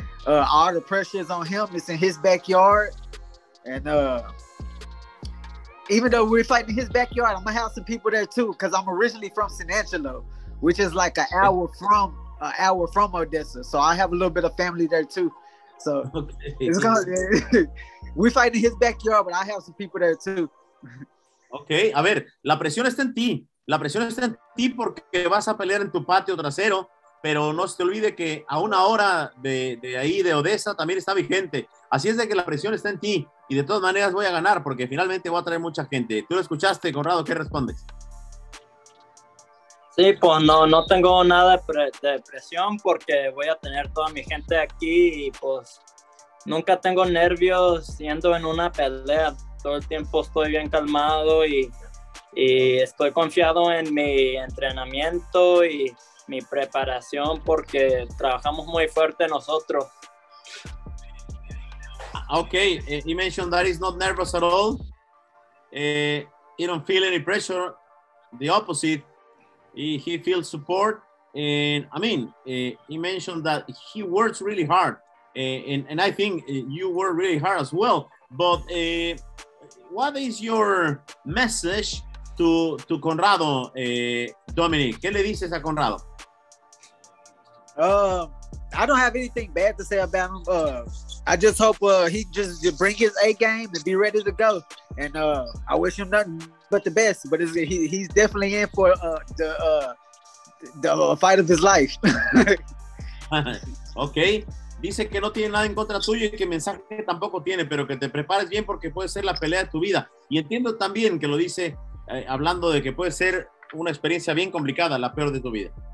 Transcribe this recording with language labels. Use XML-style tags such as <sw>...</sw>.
<en>All the pressure is on him. It's in his backyard. And, even though we're fighting in his backyard, I'm gonna have some people there too, because I'm originally from San Angelo, which is like an hour from Odessa. So I have a little bit of family there too. So okay. It's gonna, we're fighting in his backyard, but I have some people there too.</en> <es>Okay, a ver, la presión está en ti. La presión está en ti porque vas a pelear en tu patio trasero, pero no se te olvide que a una hora de ahí, de Odessa, también está vigente. Así es de que la presión está en ti. Y de todas maneras voy a ganar porque finalmente voy a traer mucha gente. Tú lo escuchaste, Conrado, ¿qué respondes? Sí, pues no tengo nada de presión porque voy a tener toda mi gente aquí y pues nunca tengo nervios siendo en una pelea. Todo el tiempo estoy bien calmado y estoy confiado en mi entrenamiento y mi preparación porque trabajamos muy fuerte nosotros.</es> <en>Okay, he mentioned that he's not nervous at all. He don't feel any pressure. The opposite, he feels support. And I mean, he mentioned that he works really hard. And I think you work really hard as well. But what is your message to Conrado, Dominic?</en> <es>¿Qué le dices a Conrado?</es> <en>I don't have anything bad to say about him. I just hope he just bring his A game and be ready to go. And I wish him nothing but the best. But he's definitely in for the fight of his life. Ok.</en> <es>Dice que no tiene nada en contra tuyo y que mensaje tampoco tiene, pero que te prepares bien porque puede ser la pelea de tu vida. Y entiendo también que lo dice hablando de que puede ser una experiencia bien complicada, la peor de tu vida.</es>